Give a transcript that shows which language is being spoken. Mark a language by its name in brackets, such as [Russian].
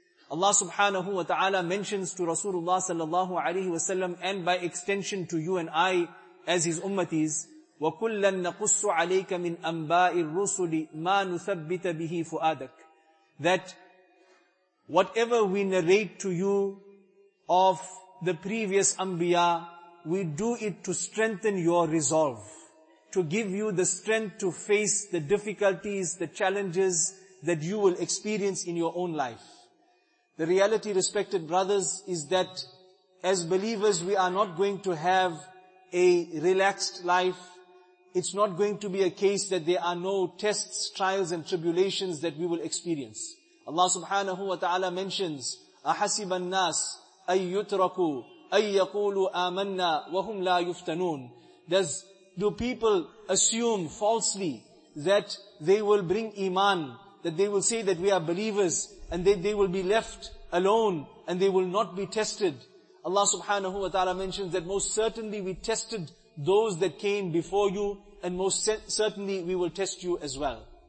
[English] Allah subhanahu wa ta'ala mentions to Rasulullah sallallahu alayhi wa sallam, and by extension to you and I as his ummatis, [Arabic] وَكُلَّا نَقُصُّ عَلَيْكَ مِنْ أَنْبَاءِ الرُّسُلِ مَا نُثَبِّتَ بِهِ فُؤَادَكَ, [English] that whatever we narrate to you of the previous anbiya, we do it to strengthen your resolve, to give you the strength to face the difficulties, the challenges that you will experience in your own life. The reality, respected brothers, is that as believers, we are not going to have a relaxed life. It's not going to be a case that there are no tests, trials and tribulations that we will experience. Allah subhanahu wa ta'ala mentions, [Arabic] أَحَسِبَ النَّاسِ أَن يُتْرَكُوا أَن يَقُولُوا آمَنَّا وَهُمْ لَا يُفْتَنُونَ. [English] Do people assume falsely that they will bring iman, that they will say that we are believers, and that they will be left alone and they will not be tested? Allah subhanahu wa ta'ala mentions that most certainly we tested those that came before you, and most certainly we will test you as well.